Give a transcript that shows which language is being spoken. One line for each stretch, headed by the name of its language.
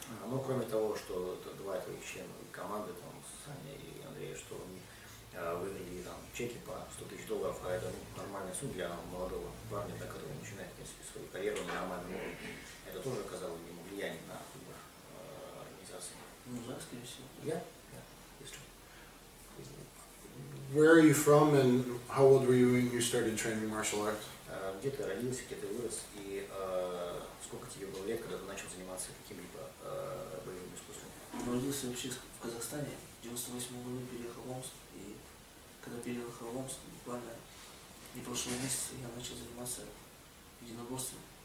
Russian: Ну, кроме того, что два твоих члена команды, там, Саня и Андрей, что они выиграли там чеки по $100,000, а это нормальная сумма для молодого парня, да, который начинает, в принципе, свою карьеру на нормальном уровне. Это тоже оказало ему влияние на выбор организации. Ну, да, скорее всего. Yeah.
English: Where are you from and how old were you when you started training martial arts?
Russian: Где ты родился, где ты вырос, и сколько тебе было лет, когда ты начал заниматься каким-либо боевым искусством? Родился вообще в Казахстане. В 1998 году переехал в Омск. И когда переехал в Омск, буквально не прошло месяца, я начал заниматься единоборством.